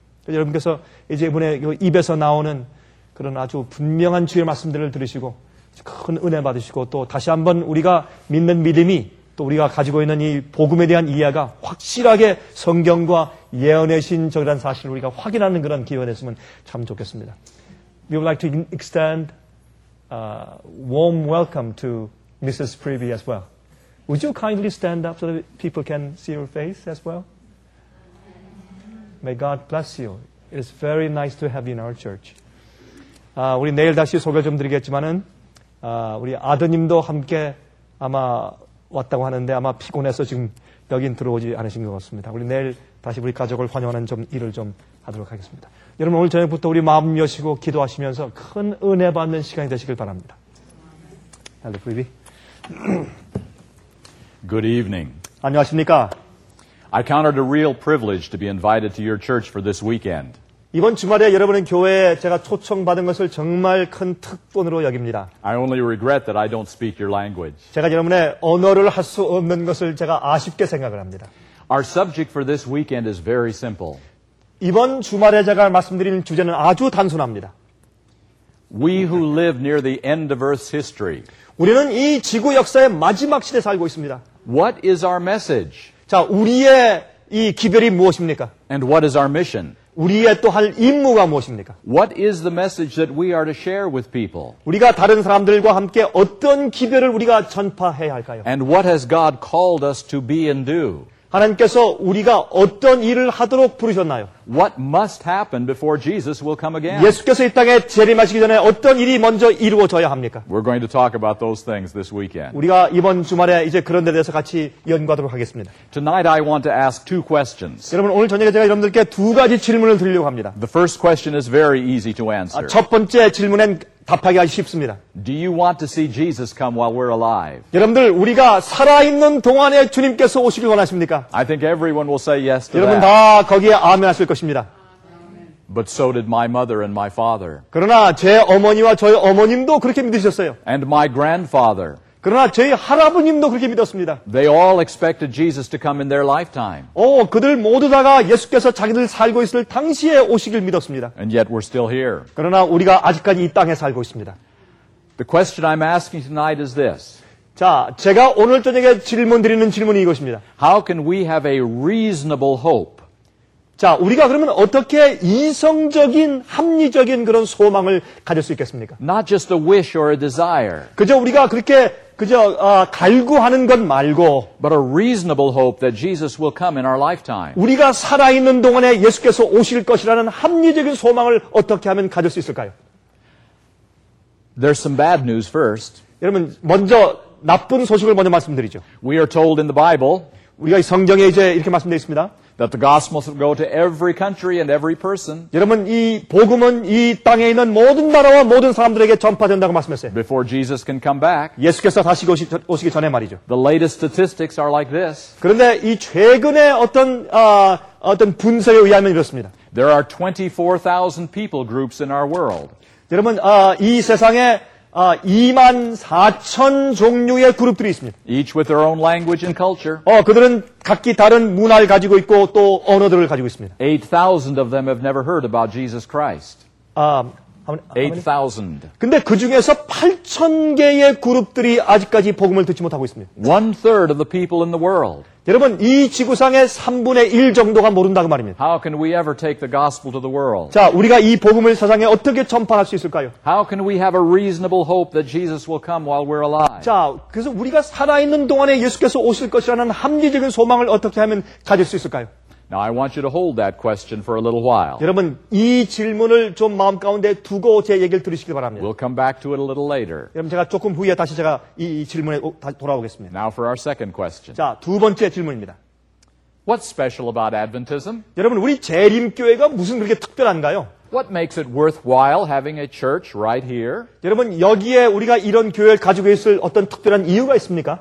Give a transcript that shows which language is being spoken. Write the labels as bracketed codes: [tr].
[ko] 그래서 여러분께서 이제 이분의 입에서 나오는 그런 아주 분명한 주의 말씀들을 들으시고 큰 은혜 받으시고 또 다시 한번 우리가 믿는 믿음이 또 우리가 가지고 있는 이 복음에 대한 이해가 확실하게 성경과 예언의 신 적이라는 사실을 우리가 확인하는 그런 기회가 됐으면 참 좋겠습니다. [en] We would like to extend a warm welcome to Mrs. Privy as well. Would you kindly stand up so that people can see your face as well? May God bless you. It's very nice to have you in our church. [ko] 우리 내일 다시 소개 좀 드리겠지만은 우리 아드님도 함께 아마 왔다고 하는데 아마 피곤해서 지금 여긴 들어오지 않으신 것 같습니다. 우리 내일 다시 우리 가족을 환영하는 좀 일을 좀 하도록 하겠습니다. 여러분 오늘 저녁부터 우리 마음 여시고 기도하시면서 큰 은혜 받는 시간이 되시길 바랍니다. [en] Hello, Privy. Good evening. [ko] 안녕하십니까? [en] I count it a real privilege to be invited to your church for this weekend. [ko] 이번 주말에 여러분의 교회에 제가 초청받은 것을 정말 큰 특권으로 여깁니다. [en] I only regret that I don't speak your language. [ko] 제가 여러분의 언어를 할 수 없는 것을 제가 아쉽게 생각을 합니다. [en] Our subject for this weekend is very simple. [ko] 이번 주말에 제가 말씀드리는 주제는 아주 단순합니다. [en] We who live near the end of Earth's history. [ko] 우리는 이 지구 역사의 마지막 시대에 살고 있습니다. [en] What is our message? [ko] 자, 우리의 이 기별이 무엇입니까? [en] And what is our mission? [ko] 우리의 또 할 임무가 무엇입니까? [en] What is the message that we are to share with people? [ko] 우리가 다른 사람들과 함께 어떤 기별을 우리가 전파해야 할까요? [en] And what has God called us to be and do? [ko] 하나님께서 우리가 어떤 일을 하도록 부르셨나요? [en] What must happen before Jesus will come again? [ko] 예수께서 이 땅에 재림하시기 전에 어떤 일이 먼저 이루어져야 합니까? [en] We're going to talk about those things this weekend. [ko] 우리가 이번 주말에 이제 그런 데 대해서 같이 연구하도록 하겠습니다. [en] Tonight I want to ask two questions. [ko] 여러분 오늘 저녁에 제가 여러분들께 두 가지 질문을 드리려고 합니다. [en] The first question is very easy to answer. [ko] 첫 번째 질문은 답하기 아주 쉽습니다. [en] Do you want to see Jesus come while we're alive? [ko] 여러분들 우리가 살아 있는 동안에 주님께서 오시길 원하십니까? [en] I think everyone will say yes to that. [ko] 여러분 다 거기에 아멘하실 것입니다. [en] But so did my mother and my father. [ko] 그러나 제 어머니와 저희 어머님도 그렇게 믿으셨어요. [en] And my grandfather. [ko] 그러나 저희 할아버님도 그렇게 믿었습니다. [en] They all expected Jesus to come in their lifetime. [ko] 오, 그들 모두 다가 예수께서 자기들 살고 있을 당시에 오시길 믿었습니다. [en] And yet we're still here. [ko] 그러나 우리가 아직까지 이 땅에 살고 있습니다. [en] The question I'm asking tonight is this. [ko] 자, 제가 오늘 저녁에 질문 드리는 질문이 이것입니다. [en] How can we have a reasonable hope? [ko] 자, 우리가 그러면 어떻게 이성적인, 합리적인 그런 소망을 가질 수 있겠습니까? [en] Not just a wish or a desire. [ko] 그저 우리가 그렇게 그저 갈구하는 것 말고 [en] But a reasonable hope that Jesus will come in our lifetime. [ko] 우리가 살아있는 동안에 예수께서 오실 것이라는 합리적인 소망을 어떻게 하면 가질 수 있을까요? [en] There's some bad news first. [ko] 여러분, 먼저 나쁜 소식을 먼저 말씀드리죠. [en] We are told in the Bible [ko] 우리가 성경에 이제 이렇게 말씀되어 있습니다. [en] That the gospel should go to every country and every person. [ko] 여러분 이 복음은 이 땅에 있는 모든 나라와 모든 사람들에게 전파된다고 말씀했어요. [en] Before Jesus can come back. [ko] 예수께서 다시 오시기 전에 말이죠. [en] The latest statistics are like this. [ko] 그런데 이 최근에 어떤 분석에 의하면 이렇습니다. [en] There are 24,000 people groups in our world. [ko] 여러분 이 세상에 2만 4천 종류의 그룹들이 있습니다. [en] Each with their own language and culture. [ko] 그들은 각기 다른 문화를 가지고 있고 또 언어들을 가지고 있습니다. [en] 8,000 of them have never heard about Jesus Christ. [ko] 8,000. 근데 그 중에서 8천 개의 그룹들이 아직까지 복음을 듣지 못하고 있습니다. [en] One third of the people in the world. [ko] 여러분 이 지구상의 3분의 1 정도가 모른다고 말입니다. [en] How can we ever take the gospel to the world? [ko] 자, 우리가 이 복음을 세상에 어떻게 전파할 수 있을까요? [en] How can we have a reasonable hope that Jesus will come while we're alive? [ko] 자, 그래서 우리가 살아 있는 동안에 예수께서 오실 것이라는 합리적인 소망을 어떻게 하면 가질 수 있을까요? [en] Now I want you to hold that question for a little while. [ko] 여러분 이 질문을 좀 마음 가운데 두고 제 얘기를 들으시길 바랍니다. [en] We'll come back to it a little later. [ko] 여러분 제가 조금 후에 다시 제가 이 질문에 다시 돌아오겠습니다. [en] Now for our second question. [ko] 자, 두 번째 질문입니다. [en] What's special about Adventism? [ko] 여러분 우리 재림교회가 무슨 그렇게 특별한가요? [en] What makes it worthwhile having a church right here? [ko] 여러분 여기에 우리가 이런 교회를 가지고 있을 어떤 특별한 이유가 있습니까?